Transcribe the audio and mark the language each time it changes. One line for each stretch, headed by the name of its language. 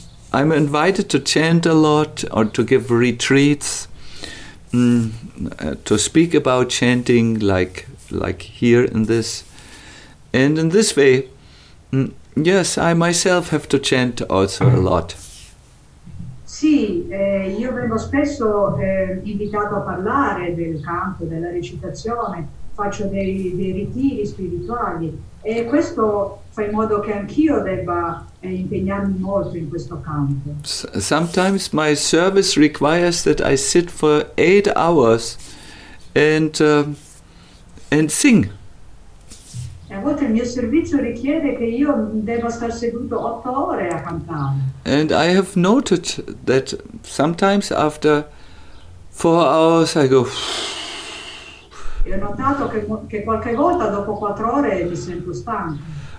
English: I'm invited to chant a lot or to give retreats, to speak about chanting like here in this. And in this way, yes, I myself have to chant also a lot.
Italian: Sì, io vengo spesso invitato a parlare del canto, della recitazione, faccio dei ritiri spirituali, e questo fa in modo che anch'io debba impegnarmi molto in questo campo.
English: Sometimes my service requires that I sit for 8 hours and sing.
Italian: E a volte il mio servizio richiede che io debba star seduto 8 ore a cantare.
English: And I have noted that sometimes after 4 hours I go.
Italian: E ho notato che qualche volta dopo 4 ore mi sento stanco.